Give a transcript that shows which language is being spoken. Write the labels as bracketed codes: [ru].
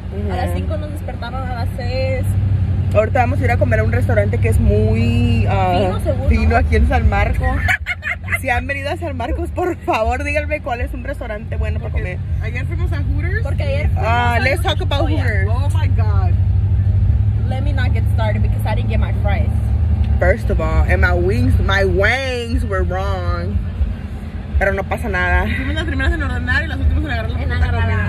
[es] A las 5 nos despertaron. Ahorita vamos a ir a comer a un restaurante que es muy fino aquí en San Marcos. Si han venido a San Marcos, por favor, díganme cuál es un restaurante bueno para comer. Ayer fuimos a Hooters. Porque ayer fuimos a [en] Hooters. Let's talk about Hooters. Oh my God. Let me not get started because I didn't get my fries. First of all, and my wings were wrong. [es] Pero no pasa nada. Fuimos las primeras en ordenar y las últimas en agarrar la